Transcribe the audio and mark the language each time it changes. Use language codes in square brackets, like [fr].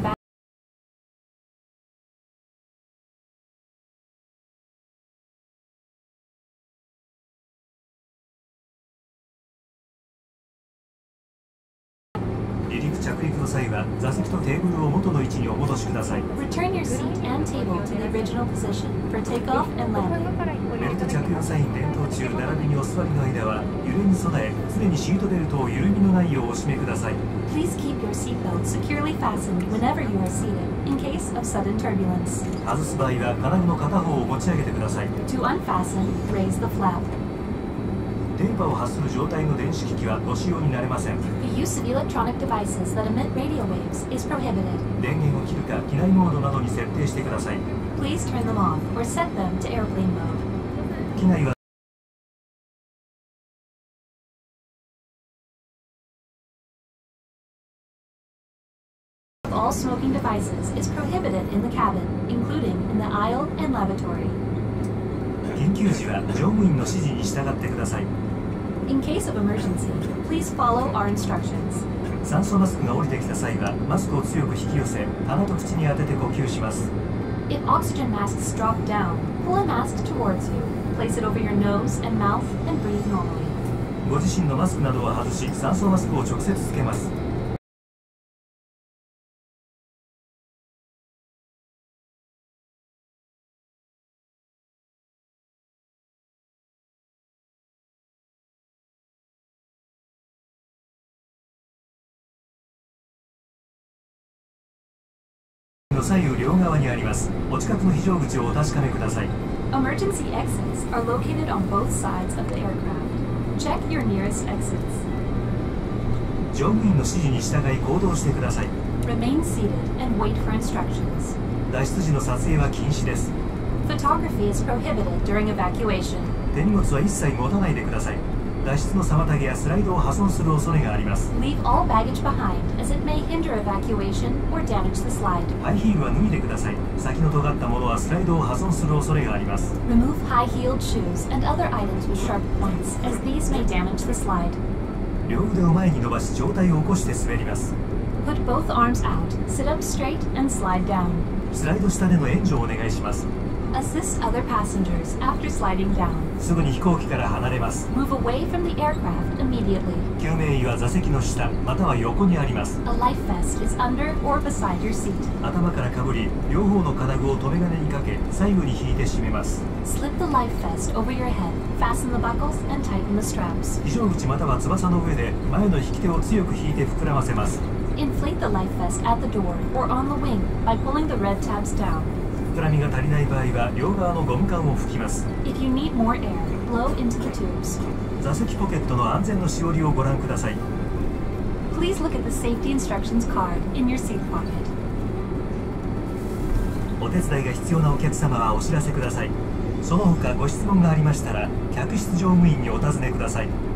[ja] bag. 離陸着陸の際はら座席とテーブルを元の位置にお戻しください。 [en] Return your seat and table to the original position for takeoff and landing. [ja] ベルト着用サイン点灯中並びにお座りの間は揺れに備え常にシートベルトを緩みのないようお締めください。 [en] Please keep your seatbelt securely fastened whenever you are seated in case of sudden turbulence. [ja] 外す場合は金具の片方を持ち上げてください。 [en] To unfasten, raise the flap. [ja] 電波を発する状態の電子機器はご使用になれません。 [en] The use of electronic devices that emit radio waves is prohibited. [ja] 電源を切るか機内モードなどに設定してください。 [en] Please turn them off or set them to airplane mode. [ja] 機内は [en] All smoking devices is prohibited in the cabin, including in the aisle and lavatory. [ja] 緊急時は乗務員の指示に従ってください。 [en] In case of emergency, please follow our instructions. [ja] 酸素マスクが降りてきた際は、マスクを強く引き寄せ、鼻と口に当てて呼吸します。 [en] If oxygen masks drop down, pull a mask towards you. Place it over your nose and mouth and breathe normally. [ja] ご自身のマスクなどは外し、酸素マスクを直接つけます。左右両側にあります。お近くの非常口をお確かめください。 [en] Emergency exits are located on both sides of the aircraft. Check your nearest exits. [ja] 乗務員の指示に従い行動してください。 [en] Remain seated and wait for instructions. [ja] 脱出時の撮影は禁止です。 [en] Photography is prohibited during evacuation. [ja] 手荷物は一切持たないでください。脱出の妨げやスライドを破損する恐れがあります。 [en] Leave all baggage behind, as it may hinder evacuation or damage the slide. [ja] ハイヒールは脱いでください。先の尖ったものはスライドを破損する恐れがあります。 [en] Remove high-heeled shoes and other items with sharp points, as these may damage the slide. [ja] 両腕を前に伸ばし、上体を起こして滑ります。 [en] Put both arms out, sit up straight and slide down. [ja] スライド下での援助をお願いします。 [en] Assist other passengers after sliding down. [ja] すぐに飛行機から離れます。 [en] Move away from the aircraft immediately. [ja] 救命衣は座席の下または横にあります。 [en] A life vest is under or beside your seat. [ja] 頭からかぶり、両方の金具を留め金にかけ、左右に引いて締めます。 [en] Slip the life vest over your head, fasten the buckles and tighten the straps. [ja] 非常口または翼の上で前の引き手を強く引いて膨らませます。 [en] Inflate the life vest at the door or on the wing by pulling the red tabs down. [ja] 膨らみが足りない場合は両側のゴム管を拭きます。 [en] If you need more air, blow into the tubes. [ja] 座席ポケットの安全のしおりをご覧ください。 [en] Please look at the safety instructions card in your seat pocket. [ja] お手伝いが必要なお客様はお知らせください。その他ご質問がありましたら客室乗務員にお尋ねください。